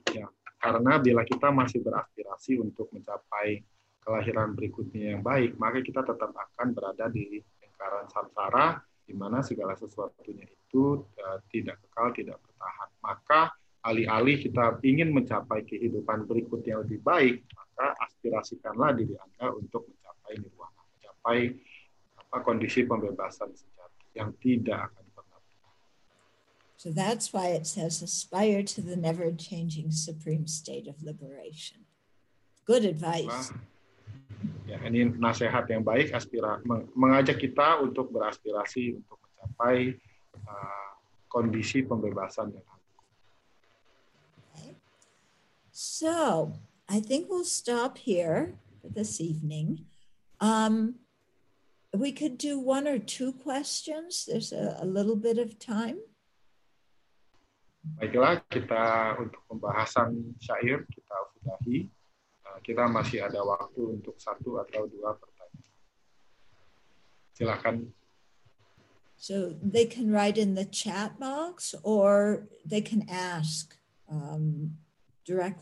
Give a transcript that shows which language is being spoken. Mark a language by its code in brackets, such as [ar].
[id] Ya, karena bila kita masih beraspirasi untuk mencapai kelahiran berikutnya yang baik, maka kita tetap akan berada di lingkaran samsara, di mana segala sesuatunya itu tidak kekal, tidak bertahan. Maka alih-alih kita ingin mencapai kehidupan berikutnya yang lebih baik, maka aspirasikanlah diri Anda untuk mencapai nirwana, mencapai apa, kondisi pembebasan sejati yang tidak akan pernah. [en] So that's why it says aspire to the never changing supreme state of liberation. Good advice. [id] Ya, ini nasihat yang baik, mengajak kita untuk beraspirasi untuk mencapai kondisi pembebasan yang agung. [en] Okay. So I think we'll stop here this evening. We could do one or two questions. There's a little bit of time. [id] Baiklah, kita untuk pembahasan syair kita sudahi. Kita masih ada waktu untuk satu atau dua pertanyaan. Silakan. [en] So they can write in the chat box or they can ask directly.